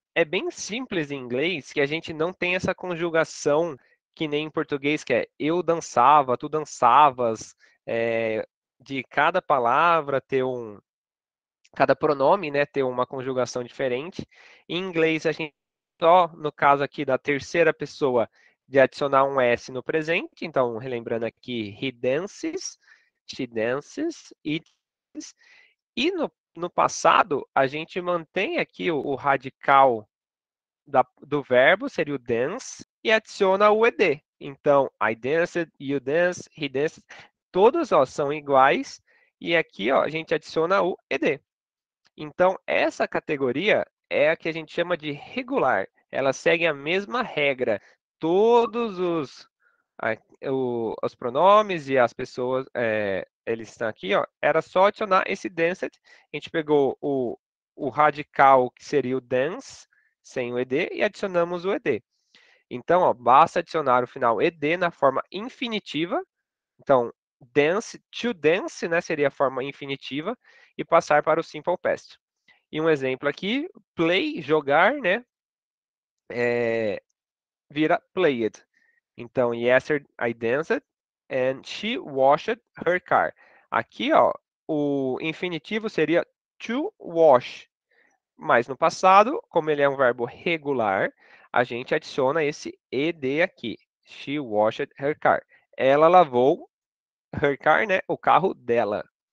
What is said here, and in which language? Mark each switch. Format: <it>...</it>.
<pt>É bem simples em inglês que a gente não tem essa conjugação que nem em português, que é eu dançava, tu dançavas, de cada palavra ter um. Cada pronome, né, ter uma conjugação diferente. Em inglês, a gente só, no caso aqui da terceira pessoa, de adicionar um S no presente. Então, relembrando aqui,</pt> <en>he dances, she dances, it.</en> <pt>E no passado, a gente mantém aqui o radical do verbo, seria o dance, e adiciona o ED.</pt> <en>Então, I danced, you danced, he danced.</en> <pt>Todos, ó, são iguais. E aqui, ó, a gente adiciona o ED. Então, essa categoria é a que a gente chama de regular. Ela segue a mesma regra. Todos os pronomes e as pessoas, eles estão aqui, ó. Era só adicionar esse danced. A gente pegou o radical, que seria o dance, sem o ed, e adicionamos o ed. Então, ó, basta adicionar o final ed na forma infinitiva. Então, dance, to dance, né, seria a forma infinitiva, e passar para o simple past. E um exemplo aqui, play, jogar, né, vira played.</pt> <en>Então, yesterday I danced and she washed her car.</en> <pt>Aqui, ó, o infinitivo seria to wash. Mas no passado, como ele é um verbo regular, a gente adiciona esse ed aqui.</pt> <en>She washed her car.</en> <pt>Ela lavou</pt> <en>her car,</en> <pt>né? O carro dela.</pt>